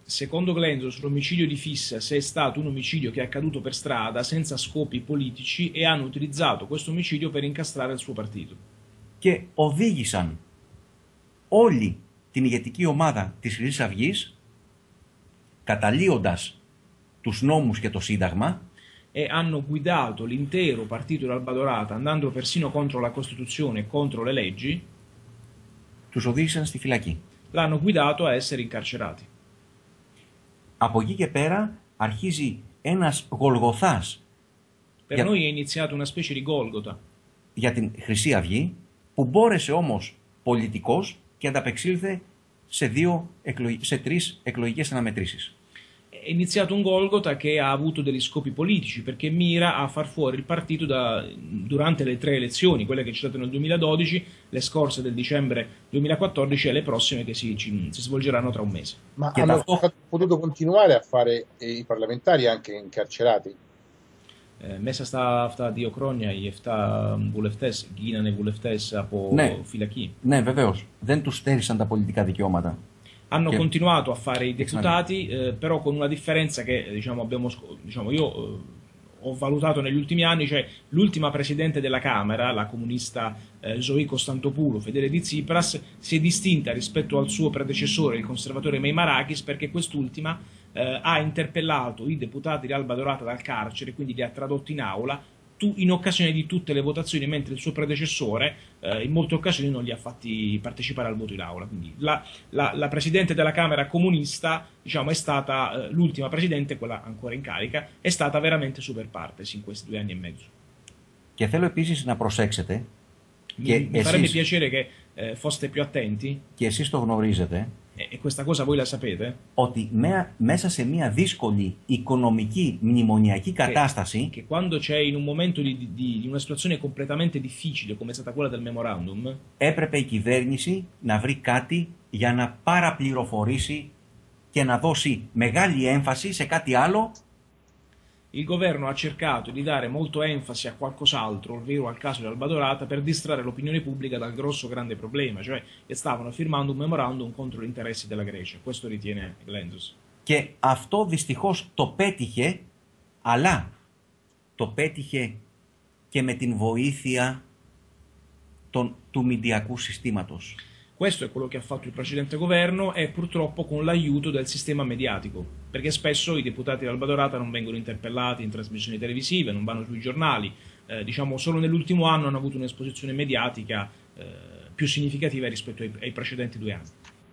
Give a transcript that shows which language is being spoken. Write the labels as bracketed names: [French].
[Italian] Secondo Glenzos, l'omicidio di Fissas è stato un omicidio che è accaduto per strada senza scopi politici e hanno utilizzato questo omicidio per incastrare il suo partito. [Greek] Και οδήγησαν όλη την ηγετική ομάδα της Χρυσής Αυγής, καταλύοντας τους νόμους και το Σύνταγμα. [Italian] E hanno guidato l'intero partito dell'Alba Dorata, andando persino contro la Costituzione e contro le leggi. [Greek] Τους οδήγησαν στη φυλακή. [Italian] L'hanno guidato a essere incarcerati. [Greek] Από εκεί και πέρα αρχίζει ένας Γολγοθάς. [Italian] Per noi è iniziato una specie di Golgota. [Greek] Για την Χρυσή Αυγή, που μπόρεσε όμως πολιτικός και ανταπεξήλθε σε, σε τρεις εκλογικές αναμετρήσεις. [Italian] È iniziato un Golgota che ha avuto degli scopi politici perché mira a far fuori il partito da, durante le tre elezioni, quelle che ci sono state nel 2012, le scorse del dicembre 2014 e le prossime che si svolgeranno tra un mese. Ma hanno potuto continuare a fare i parlamentari anche incarcerati? [Greek] Μέσα στα αυτά δύο χρόνια οι 7 βουλευτές γίνανε βουλευτές από ναι, φυλακή. Ναι, βεβαίως. Δεν τους στέρισαν τα πολιτικά δικαιώματα. [Italian] Hanno [Greek] και... [Italian] continuato a fare i deputati, però con una differenza che diciamo, abbiamo, diciamo, io ho valutato negli ultimi anni, cioè l'ultima presidente della Camera, la comunista Zoe Costantopoulou, fedele di Tsipras, si è distinta rispetto al suo predecessore, il conservatore Meimarakis, perché quest'ultima ha interpellato i deputati di Alba Dorata dal carcere, quindi li ha tradotti in aula in occasione di tutte le votazioni, mentre il suo predecessore in molte occasioni non li ha fatti partecipare al voto in aula. Quindi la presidente della Camera comunista, diciamo, è stata l'ultima presidente, quella ancora in carica, è stata veramente super partes in questi due anni e mezzo. [Greek] Che θέλω επίσης να προσέξετε, [Italian] mi farebbe piacere che foste più attenti. [Greek] Che εσείς το γνωρίζετε. [Italian] E questa cosa voi la sapete? [Greek] Ότι μέσα σε μια δύσκολη οικονομική μνημονιακή κατάσταση. [Italian] Che quando c'è in un momento di una situazione completamente difficile come è stata quella del memorandum. [Greek] Έπρεπε η κυβέρνηση να βρει κάτι για να παραπληροφορήσει και να δώσει μεγάλη έμφαση σε κάτι άλλο. [Italian] Il governo ha cercato di dare molto enfasi a qualcos'altro, ovvero al caso di Alba Dorata, per distrarre l'opinione pubblica dal grosso grande problema, cioè che stavano firmando un memorandum contro gli interessi della Grecia. Questo ritiene Glendus. [Greek] Και αυτό δυστυχώς το πέτυχε, αλλά το πέτυχε και με την βοήθεια του μηδιακού συστήματος. [Italian] Questo è quello che ha fatto il precedente governo e purtroppo con l'aiuto del sistema mediatico, perché spesso i deputati dell'Alba Dorata non vengono interpellati in trasmissioni televisive, non vanno sui giornali, diciamo solo nell'ultimo anno hanno avuto un'esposizione mediatica più significativa rispetto ai precedenti due anni.